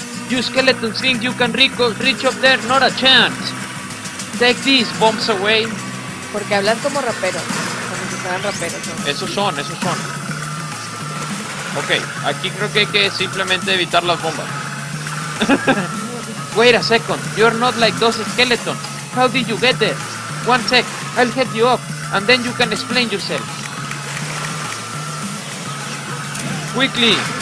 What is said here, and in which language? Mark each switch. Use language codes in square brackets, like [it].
[en] You skeleton think you can reach up there, not a chance. Take these bombs away. [es] Porque hablas como rapero, como si fueran raperos, ¿no? Esos son. Ok, aquí creo que hay que simplemente evitar las bombas. [en] Wait a second, you're not like those skeletons. How did you get there? One sec, I'll help you up, and then you can explain yourself. Quickly.